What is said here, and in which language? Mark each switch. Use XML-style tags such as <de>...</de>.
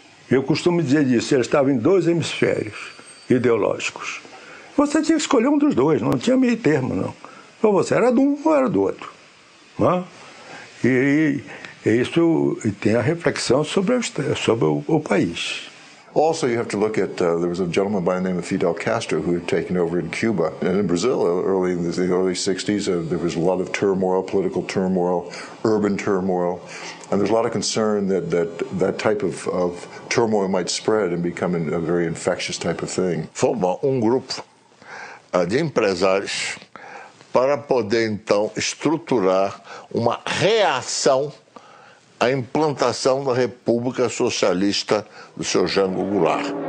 <pt>Eu costumo dizer isso, ele estava em dois hemisférios ideológicos. Você tinha que escolher um dos dois, não tinha meio termo, não. Ou você era de um ou era do outro. Né? E isso tem a reflexão sobre o país.</pt> <en>Also, you have to look at, there was a gentleman by the name of Fidel Castro who had taken over in Cuba. And in Brazil, early in the early 60s, there was a lot of turmoil, political turmoil, urban turmoil. And there's a lot of concern that type of turmoil might spread and become a very infectious type of thing.</en> <pt>Formar grupo de empresários para poder, então, estruturar uma reação a implantação da República Socialista do seu Jango Goulart.</pt>